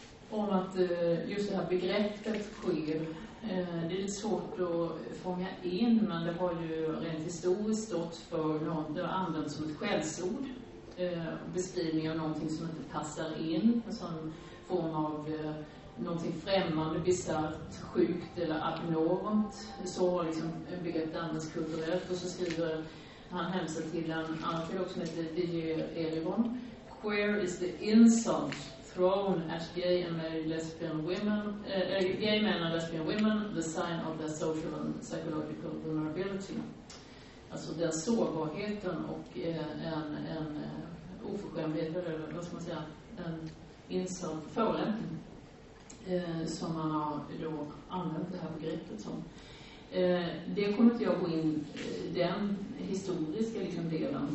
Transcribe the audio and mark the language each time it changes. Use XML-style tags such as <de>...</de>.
<sv>Om att just det här begreppet queer, det är lite svårt att fånga in, men det har ju rent historiskt stått för någon, det har använts som ett skällsord. Beskrivning av någonting som inte passar in, som form av någonting främmande, bisarrt, sjukt eller abnormt. Så har liksom begreppet används kulturellt. Och så skriver han hemsa till en antolog som heter Didier Erivon.</sv> <en>Queer is the insult thrown at gay and married lesbian women, gay men and lesbian women, the sign of their social and psychological vulnerability.</en> <sv>Alltså den sårbarheten och en oförskämdhet, eller vad ska man säga, en insult, förolämpning, som man har då använt det här begreppet som. Det kommer inte jag gå in den historiska liksom delen.</sv>